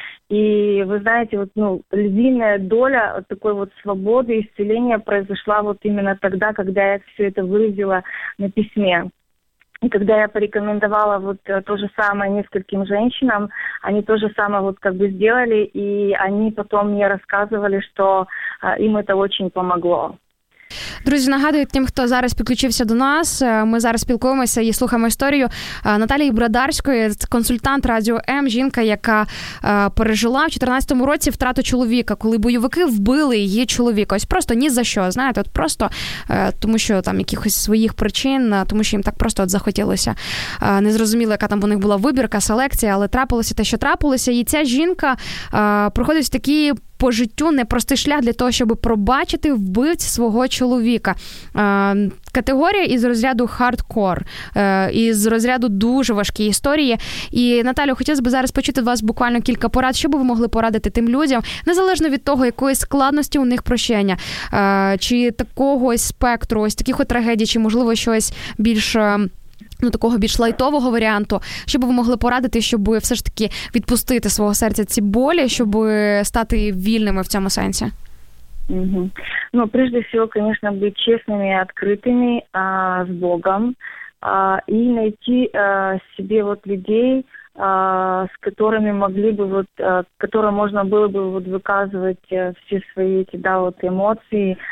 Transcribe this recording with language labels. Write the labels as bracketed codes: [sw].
[ru] И вы знаете, вот, ну, львиная доля такой вот свободы, исцеления произошла вот именно тогда, когда я все это выразила на письме. И когда я порекомендовала вот то же самое нескольким женщинам, они то же самое вот как бы сделали, и они потом мне рассказывали, что им это очень помогло. [uk] Друзі, нагадую тим, хто зараз підключився до нас, ми зараз спілкуємося і слухаємо історію Наталії Бродарської, консультант Радіо М, жінка, яка пережила в 14-му році втрату чоловіка, коли бойовики вбили її чоловіка. Ось просто ні за що, знаєте, от просто тому що там якихось своїх причин, тому що їм так просто от захотілося. Не зрозуміло, яка там у них була вибірка, селекція, але трапилося те, що трапилося. І ця жінка проходить такі по життю непростий шлях для того, щоб пробачити вбивць свого чоловіка. Категорія із розряду хардкор, із розряду дуже важкі історії. І, Наталю, хотілося б зараз почути вас буквально кілька порад, що би ви могли порадити тим людям, незалежно від того, якої складності у них прощення, чи такого ось спектру, ось таких от трагедій, чи, можливо, щось більш, ну, такого більш лайтового варіанту, щоб ви могли порадити, щоб все ж таки відпустити свого серця ці болі, щоб стати вільними в цьому сенсі? [ru] Ну, прежде всего, конечно, [uk] бути чесними і відкритими з Богом і знайти собі от людей, [ru] с которыми могли бы вот, которым можно было бы вот выказывать все свои эти, да, вот эмоции.